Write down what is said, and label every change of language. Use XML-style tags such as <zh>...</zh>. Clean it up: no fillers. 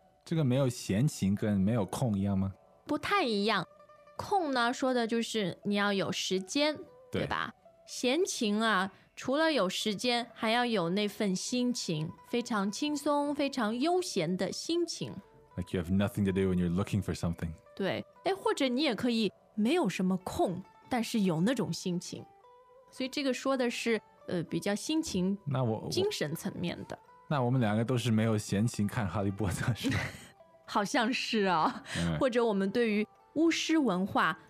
<zh>这个没有闲情跟没有空一样吗？不太一样。空呢说的就是你要有时间对吧，闲情啊除了有时间还要有那份心情，非常轻松非常悠闲的心情。</zh> <en>Like you have nothing to do when you're looking for something.</en> <zh>对，或者你也可以没有什么空但是有那种心情，所以这个说的是比较心情精神层面的。那我们两个都是没有闲情看哈利波特是吧？好像是啊、嗯、或者我们对于巫师文化，</zh>